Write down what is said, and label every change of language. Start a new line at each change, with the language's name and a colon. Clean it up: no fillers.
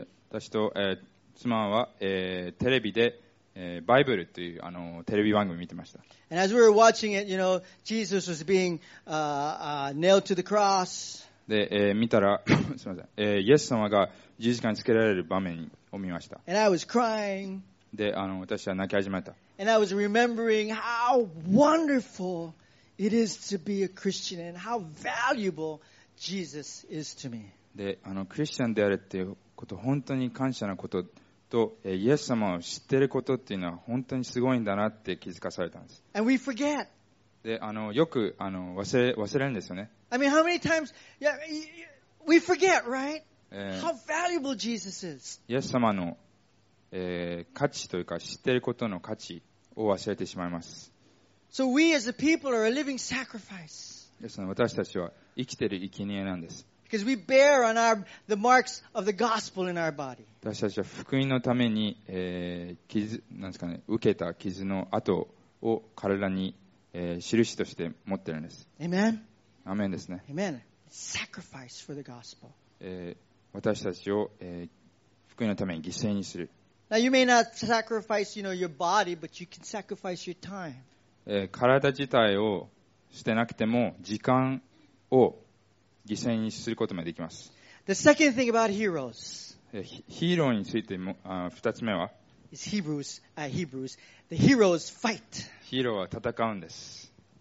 Japanese: 私と、妻は、テレビで、バイブルというあのテレビ番組を見てました。
English: And as we were watching it, you know, Jesus was being, nailed to the cross.
Japanese: で、見たら、すみません、イエス様が十字架につけられる場面を見ました。
English: And I was crying.
Japanese: で、あの、私は泣き始めた。
English: And I was remembering how wonderful it is to be a Christian and how valuable Jesus is to me.
Japanese: で、あの、クリスチャンであるっていうこと、本当に感謝なこと。とイエス様を知っていることっていうのは本当にすごいんだなって気づかされたんです。
English: And we forget.
Japanese: で、あの、よく、あの、忘れるんですよね。
English: I mean, how many times, yeah, we forget, right? How valuable Jesus is.
Japanese: イエス様の、価値というか知っていることの価値を忘れてしまいます。
English: So we as a people are a living sacrifice.
Japanese: ですので私たちは生きている生贄なんです。
English: Because we bear on our the marks of the gospel in our body.
Japanese: 私たちは福音のために、なんですかね、受けた傷の跡を体に、印として持ってるんです。
English: Amen.
Japanese: アメンですね。
English: Amen. Sacrifice for the gospel.
Japanese: 私たちを、福音のために犠牲にする。
English: Now you may not sacrifice, you know, your body, but you can sacrifice your time.
Japanese: 体自体を捨てなくても時間を犠牲にすることもできます。
English: The second thing about heroes.
Japanese: ヒーローについて二つ目は
English: is Hebrews, Hebrews. The heroes fight.
Japanese: ヒーローは戦うんです。